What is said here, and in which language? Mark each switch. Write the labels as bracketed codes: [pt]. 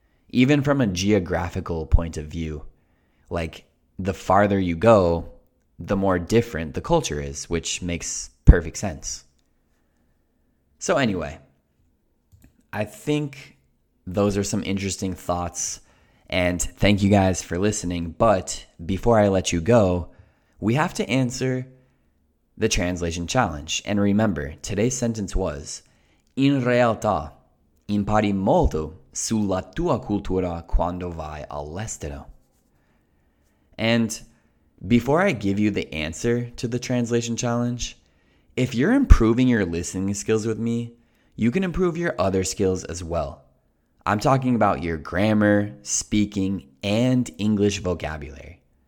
[en] Even from a geographical point of view, like the farther you go, the more different the culture is, which makes perfect sense. So anyway, I think those are some interesting thoughts. And thank you guys for listening. But before I let you go, we have to answer the translation challenge. And remember, today's sentence was, [it] in realtà, impari molto sulla tua cultura quando vai all'estero. [en] And before I give you the answer to the translation challenge, if you're improving your listening skills with me, you can improve your other skills as well. I'm talking about your grammar, speaking, and English vocabulary.